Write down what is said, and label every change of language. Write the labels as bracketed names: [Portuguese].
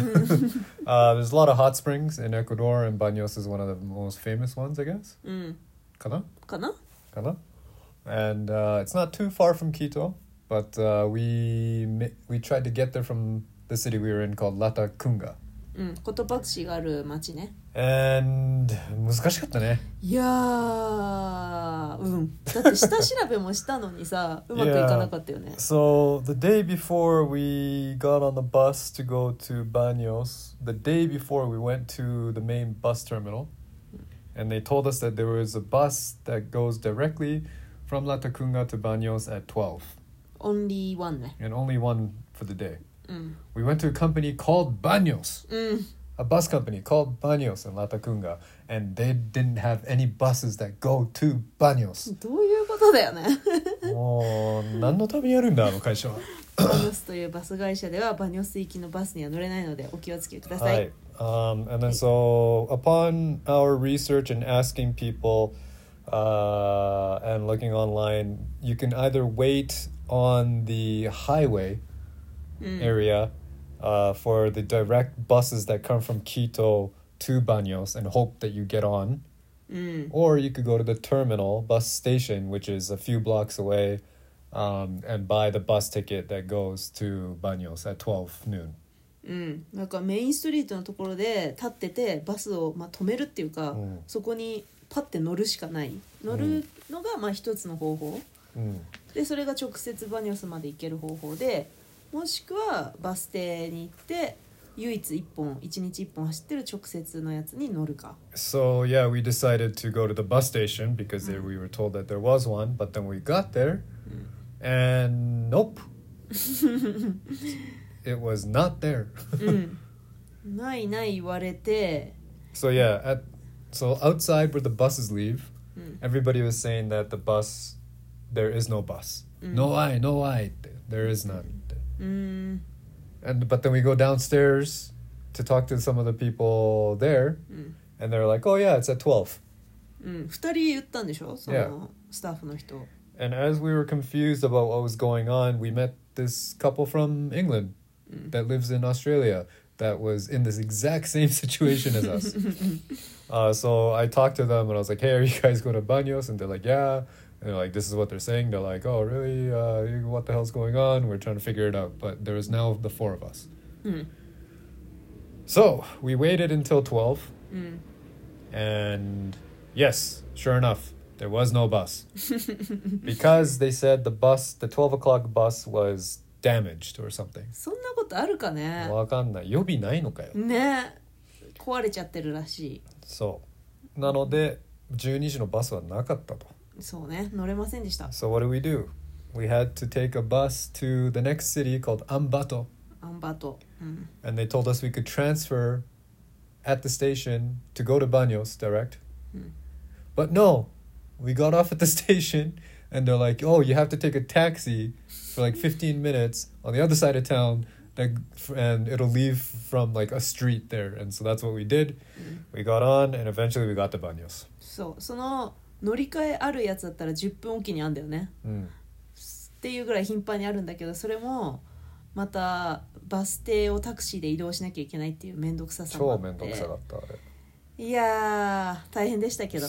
[English] there's a lot of hot springs in Ecuador, and Baños is one of the most famous ones, I guess. [Japanese] かな? [English] And it's not too far from Quito, but we tried to get there from the city we were in called Latacunga. [Japanese] Cotopaxi がある町ね。 And 難しかったね。いやー、だって下調べもしたのにさ、うまくいかなかったよね。 [English] Yeah. So the day before we got on the bus to go to Baños, the day before we went to the main bus terminal, and they told us that there was a bus that goes directly from Latacunga to Baños at 12. Only one. And only one for the day. We went to a company called Baños. A bus company called Baños in Latacunga. And they didn't have any buses that go to Baños. [Japanese] どういうことだよね。もう何のためにやるんだ、あの会社は。 Baños というバス会社ではBaños行きのバスには乗れないのでお気をつけください。はい。 [English] And then so upon our research and asking people,and looking online, you can either wait on the highway area for the direct buses that come from Quito to Baños and hope that you get on, or you could go to the terminal bus station, which is a few blocks away, and buy the bus ticket that goes to Baños at 12 noon. [Japanese] なんかメインストリートのところで立っててバスをまあ止めるっていうか、そこにパッて乗るしかない、乗るのがまあ一つの方法、でそれが直接バニョスまで行ける方法で、もしくはバス停に行って唯一一本、一日一本走ってる直接のやつに乗るか。 [English] So yeah, we decided to go to the bus station because there, we were told that there was one, but then we got there and nope. It was not there. [Japanese] ないない言われて。 [English] So yeah, so outside where the buses leave, everybody was saying that the bus, there is no bus. No, there is none. But then we go downstairs to talk to some of the people there, and they're like, oh yeah, it's at 12. 2人言ったんでしょ、その、スタッフの人。 And as we were confused about what was going on, we met this couple from England. That lives in Australia, that was in this exact same situation as us. So I talked to them and I was like, hey, are you guys going to Baños? And they're like, yeah. And they're like, this is what they're saying. They're like, oh, really? What the hell's going on? We're trying to figure it out. But there is now the four of us. So we waited until 12. And yes, sure enough, there was no bus. Because they said the bus, the 12 o'clock bus was... damaged or something. [Japanese] そんなことあるかね。わかんない。予備ないのかよ。ね、壊れちゃってるらしい。そう。なので12時のバスはなかったと。そうね、乗れませんでした。 [English] So what do we do? We had to take a bus to the next city called Ambato. Ambato. And they told us we could transfer at the station to go to Baños direct. But no, we got off at the station. And they're like, oh, you have to take a taxi for like 15 minutes on the other side of town, and it'll leave from like a street there. And so that's what we did. We got on, and eventually we got to Baños. [Japanese] So, その乗り換えあるやつだったら10分おきにあるんだよね。っていうぐらい頻繁にあるんだけど、それもまたバス停をタクシーで移動しなきゃいけないっていうめんどくささもあって。超めんどくさかった、あれ。いやー、大変でしたけど。